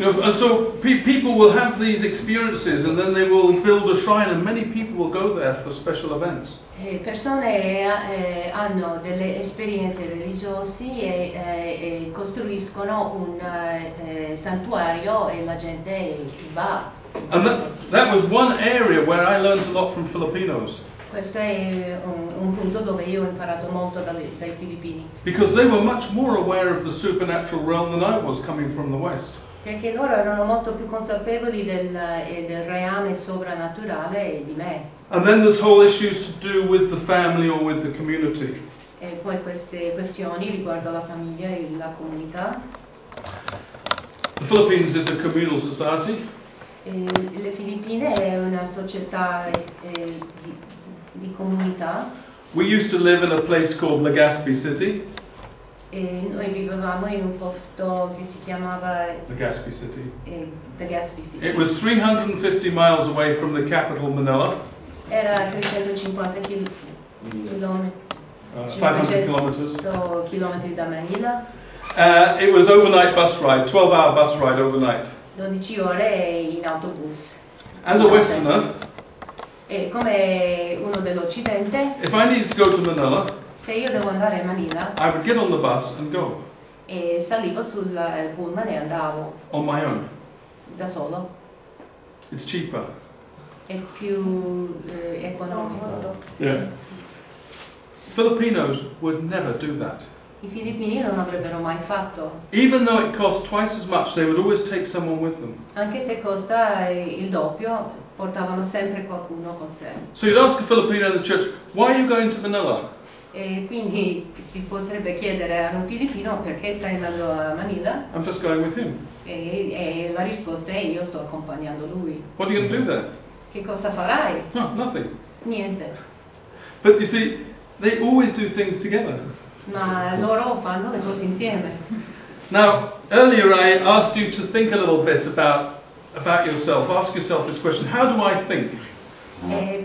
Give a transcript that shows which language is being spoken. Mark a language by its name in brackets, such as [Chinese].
[English] So people will have these experiences and then they will build a shrine and many people will go there for special events. [Italian] Persone hanno delle esperienze religiose e costruiscono un santuario e la gente va. [English] And that was one area where I learned a lot from Filipinos. [Italian] Questo è un punto dove io ho imparato molto dai filippini. [English] Because they were much more aware of the supernatural realm than I was coming from the West. [Italian] Perché loro erano molto più consapevoli del reame soprannaturale di me. [English] And then this whole issue to do with the family or with the community. [Italian] E poi queste questioni riguardo la famiglia e la comunità. [English] The Philippines is a communal society. [Italian] Le Filippine è una società di comunità. [English] We used to live in a place called Legazpi City. [Italian] E noi vivevamo in un posto che si chiamava Legazpi City. Legazpi City. [English] It was 350 miles away from the capital Manila. [Italian] Era 350 [English] kilometers. [Italian] 500 kilometers da Manila. [English] It was overnight bus ride, 12-hour bus ride overnight. [Italian] 12 ore in autobus. [English] As a Westerner, [Italian] e come uno dell'Occidente, [English] if I needed to go to Manila, [Italian] se io devo andare a Manila, [English] I would get on the bus and go. [Italian] E salivo sul pullman e andavo. [English] On my own. [Italian] Da solo. [English] It's cheaper. [Italian] È più economico. [English] Yeah. Filipinos would never do that. [Italian] I filippini non avrebbero mai fatto. [English] Even though it cost twice as much, they would always take someone with them. [Italian] Anche se costa il doppio, portavano sempre qualcuno con sé. [English] So you'd ask a Filipino in the church, why are you going to Manila? [Italian] E quindi si potrebbe chiedere a un filippino perché stai andando a Manila? [English] I'm just going with him. [Italian] E la risposta è io sto accompagnando lui. [English] What are you going to do there? [Italian] Che cosa farai? [English] No, nothing. [Italian] Niente. [English] But you see, they always do things together. [Italian] Ma loro fanno le cose insieme. [English] Now, earlier I asked you to think a little bit about yourself. Ask yourself this question: how do I think?